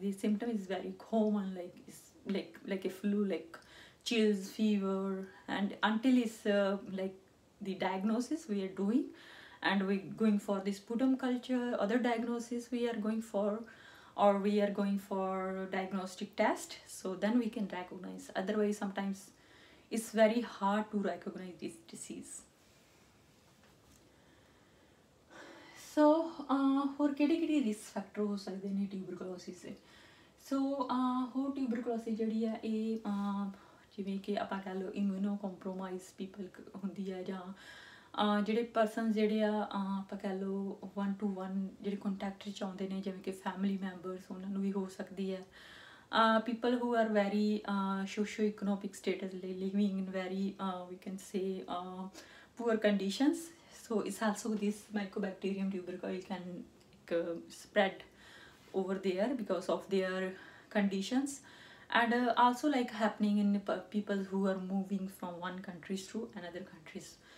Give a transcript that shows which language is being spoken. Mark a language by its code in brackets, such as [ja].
[en] These symptoms is very common, like a flu, like chills, fever, and until it's the diagnosis we are doing, and we going for this sputum culture, other diagnosis we are going for, or we are going for diagnostic test, so then we can recognize. Otherwise sometimes it's very hard to recognize this disease. So for category risk factors are there any tuberculosis? So how tuberculosis [pa] jadi hai a ਜਿਵੇਂ ਕਿ ਆਪਾਂ ਕਹਿ ਲਓ immuno compromise people ਹੁੰਦੀ ਹੈ, ਜਾਂ ਜਿਹੜੇ person ਜਿਹੜੇ ਆ ਆਪਾਂ ਕਹਿ ਲਓ 1-to-1 ਜਿਹੜੇ ਕੰਟੈਕਟ 'ਚ ਆਉਂਦੇ ਨੇ, ਜਿਵੇਂ ਕਿ ਫੈਮਿਲੀ ਮੈਂਬਰਸ, ਉਹਨਾਂ ਨੂੰ ਵੀ ਹੋ ਸਕਦੀ ਹੈ. [en] People who are very socio economic status ਲਈ living in very we can say poor conditions, so it's also this mycobacterium tuberculosis can spread over there because of their conditions. And also happening in people who are moving from one country to another countries.